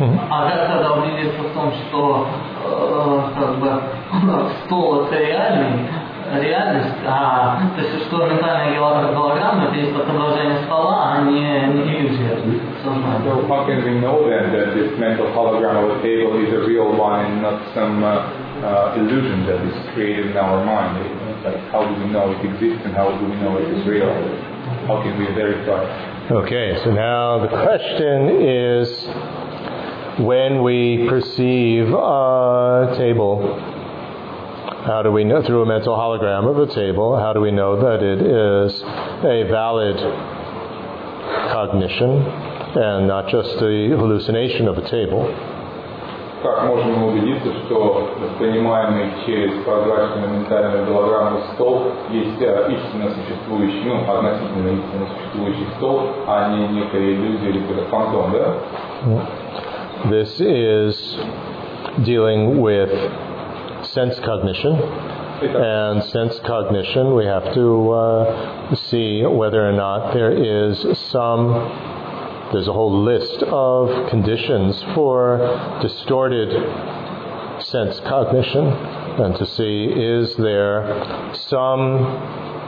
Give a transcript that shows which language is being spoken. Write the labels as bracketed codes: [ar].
[ru] А как тогда убедиться в том, что стол это реальный? [en] So how can we know then that this mental hologram of a table is a real one and not some illusion that is created in our mind? Like, how do we know it exists and how do we know it is real? How can we verify? Okay, so now the question is when we perceive a table, how do we know, through a mental hologram of a table, how do we know that it is a valid cognition and not just the hallucination of a table? [ru] Как можем мы убедиться, что воспринимаемый через прозрачную ментальную голограмму стол есть истинно существующий, ну, относительно истинно существующий стол, а не некая иллюзия или какой-то фантом, да? [en] This is dealing with sense cognition, and sense cognition, we have to see whether or not there is some, there's a whole list of conditions for distorted sense cognition, and to see is there some